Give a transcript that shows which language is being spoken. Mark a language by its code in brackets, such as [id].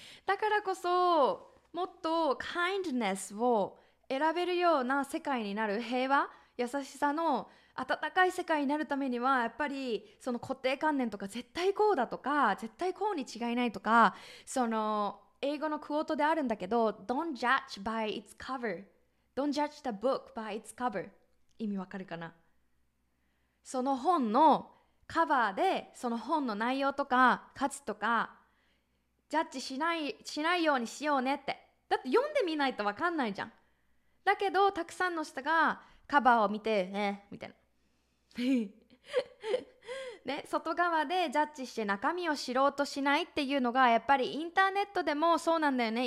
[ja] だからこそ、もっとカインドネスを選べるような世界になる、平和、優しさの温かい世界になるためには、やっぱりその固定観念とか、絶対こうだとか、絶対こうに違いないとか、その英語のクォートであるんだけど、 [en] Don't judge by its cover. Don't judge the book by its cover. [ja] 意味わかるかな? その本のカバーで、その本の内容とか価値とかジャッジしないようにしようねって。だって読んでみないと分かんないじゃん。だけど、たくさんの人がカバーを見て、ね、みたいな。ね、外側でジャッジして中身を知ろうとしないっていうのが、やっぱりインターネットでもそうなんだよね。